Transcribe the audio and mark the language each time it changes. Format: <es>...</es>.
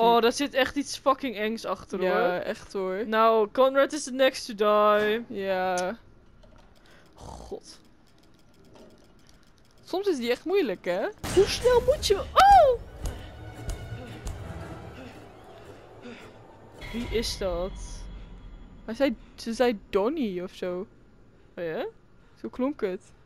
<nl>Oh, daar zit echt iets fucking engs achter, ja, hoor. Ja, echt hoor.</nl> <en>Nou, Conrad is the next to die.</en> <nl>Ja. God. Soms is die echt moeilijk, hè? Hoe snel moet je... Oh! Wie is dat? Hij zei... Ze zei Donnie of zo. Oh ja? Zo klonk het.</nl>